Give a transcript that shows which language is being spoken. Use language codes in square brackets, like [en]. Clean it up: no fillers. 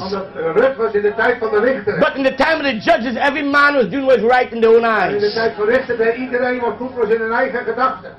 [nl] Omdat Ruth was in de tijd van de richteren. [en] But in the time of the judges, every man was doing what was right in their own eyes. [nl] En in de tijd van richteren deed iedereen wat goed was in hun eigen gedachten.